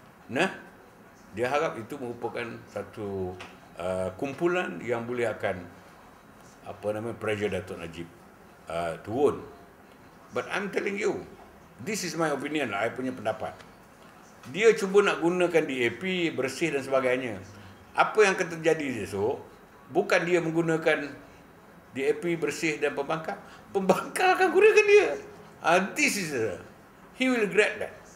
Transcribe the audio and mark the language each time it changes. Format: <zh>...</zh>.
<ms>Nah, dia harap itu merupakan satu kumpulan yang boleh akan apa namanya pressure Datuk Najib turun.</ms> <en>But I'm telling you, this is my opinion,</en> <ms>I punya pendapat. Dia cuba nak gunakan DAP bersih dan sebagainya. Apa yang akan terjadi esok? Bukan dia menggunakan DAP bersih dan pembangkang. Pembangkang akan gunakan dia.</ms> <en>This is he will regret that.</en>